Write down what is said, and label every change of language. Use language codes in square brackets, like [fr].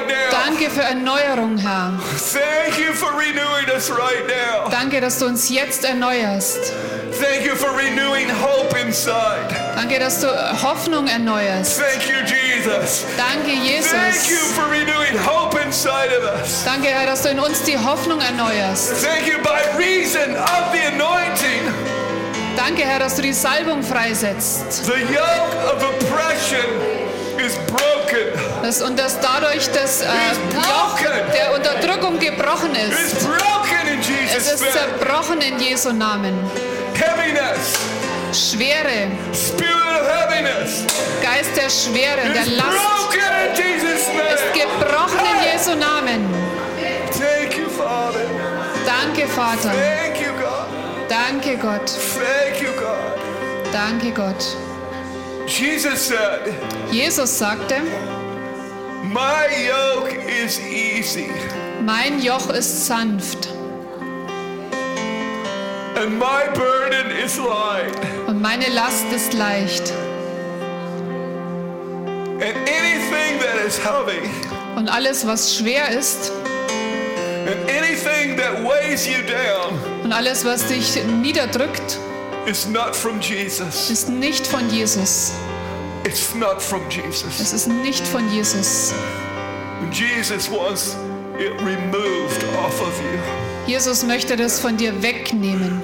[de] Danke für Erneuerung, Herr. [en] Thank you for renewing us right now. [de] Danke, dass du uns jetzt erneuerst. [en] Thank you for renewing hope inside. [de] Danke, dass du Hoffnung erneuerst. [en] Thank you, Jesus. [de] Danke, Jesus. [en] Thank you for renewing hope inside of us. [de] Danke, Herr, dass du in uns die Hoffnung erneuerst. [en] Thank you by reason of the anointing. [de] Danke, Herr, dass du die Salbung freisetzt. [en] The yoke of oppression is broken. [de] Und dass dadurch das Joch der Unterdrückung gebrochen ist. Es ist zerbrochen in Jesu Namen. [en] Heaviness. [de] Schwere. [en] Spirit of heaviness. [de] Geist der Schwere, der Last. Ist gebrochen in Jesu Namen. [en] Thank you, Father. [de] Danke, Vater. [en] Thank you, God. [de] Danke, Gott. [en] Thank you, God. [de] Danke, Gott. [en] Jesus said, [de] Jesus sagte, [en] my yoke is easy. [de] Mein Joch ist sanft. [en] And my burden is light. [de] Und meine Last ist leicht. [en] And anything that is heavy. [de] Und alles, was schwer ist. [en] And anything that weighs you down. [de] Und alles, was dich niederdrückt. [en] Is not from Jesus. [de] Ist nicht von Jesus. [en] It's not from Jesus. [de] Es ist nicht von Jesus. [en] Jesus wants it removed off of you. [de] Jesus möchte das von dir wegnehmen.